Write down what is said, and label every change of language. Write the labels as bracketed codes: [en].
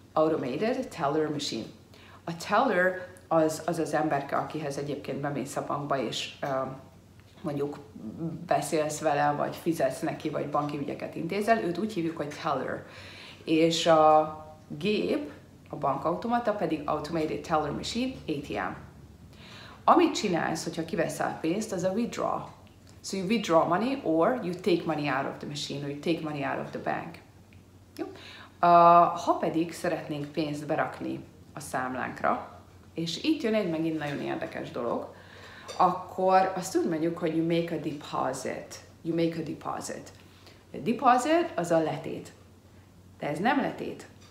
[hu] Automated Teller Machine. A teller az az emberke, akihez egyébként bemész a bankba, és mondjuk beszélsz vele, vagy fizetsz neki, vagy banki ügyeket intézel, őt úgy hívjuk, hogy teller. És a gép, a bankautomata pedig Automated Teller Machine, ATM. Amit csinálsz, hogyha kiveszel pénzt, az a withdraw. [en] So you withdraw money or you take money out of the machine or you take money out of the bank. [hu] Jó. Ha pedig szeretnénk pénzt berakni a számlánkra, és itt jön egy megint nagyon érdekes dolog, akkor azt úgy mondjuk, hogy [en] you make a deposit. You make a deposit. [hu] A deposit az a letét. De ez nem letét.